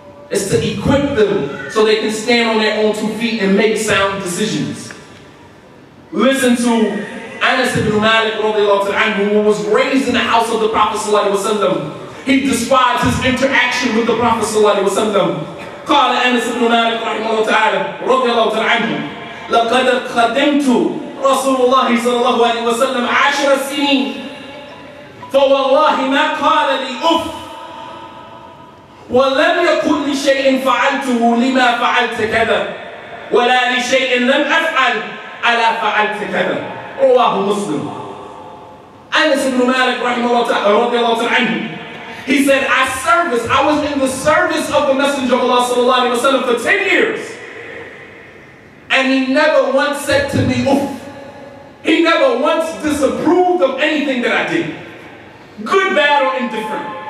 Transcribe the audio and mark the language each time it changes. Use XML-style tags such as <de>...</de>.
<en>It's to equip them so they can stand on their own 2 feet and make sound decisions. Listen to Anas ibn Malik radiallahu anhu, who was raised in the house of the Prophet sallallahu alaihi wasallam. He describes his interaction with the Prophet sallallahu alaihi wasallam.</en> <ar>قال Anas ibn Malik radiallahu anhu, لقد خدمت رسول الله صلى الله عليه وسلم 10 سنين فوالله ما قال لي أف ولم يكن لشيء فعلته لما فعلت كذا ولا لشيء لم أفعل ألا فعلت كذا. رواه مسلم.</ar> <en>أنس بن مالك</en> <ar>رحمه الله رضي الله عنه,</ar> <en>he said, I was in the service of the Messenger of Allah</en> <ar>صلى الله عليه وسلم</ar> <en>for 10 years and he never once said to me أف. He never once disapproved of anything that I did. Good, bad, or indifferent.</en>